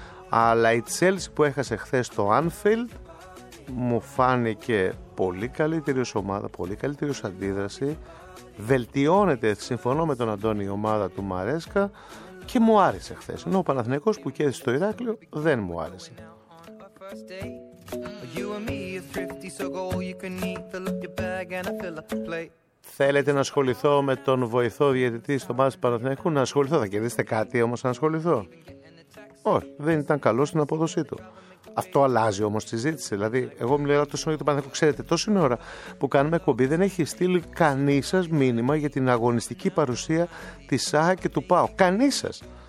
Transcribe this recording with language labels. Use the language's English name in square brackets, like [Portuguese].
[Greek] Αλλά η Chelsea που έχασε χθες στο Anfield μου φάνηκε πολύ καλύτερη ως ομάδα, πολύ καλύτερη ως αντίδραση. Βελτιώνεται, συμφωνώ με τον Αντώνη, η ομάδα του Μαρέσκα και μου άρεσε χθες. Ενώ ο Παναθηναϊκός που κέρδισε στο Ηράκλειο δεν μου άρεσε. [English] first date. You and me are thrifty, so go all you can eat. Fill up your bag and I fill up the plate. [Greek] Θέλετε να ασχοληθώ με τον βοηθό διαιτητή στο ΜΑΣ Παναθηναϊκού? Να ασχοληθώ. Θα κερδίσετε κάτι όμως να ασχοληθώ? Όχι, δεν ήταν καλό στην απόδοσή του. Αυτό αλλάζει όμως τη ζήτηση. Δηλαδή, εγώ μιλάω τόσο για τον Παναθηναϊκό. Ξέρετε, τόση ώρα που κάνουμε εκπομπή δεν έχει στείλει κανείς σας μήνυμα για την αγωνιστική παρουσία της ΣΑΑ και του ΠΑΟ. Κανείς σας.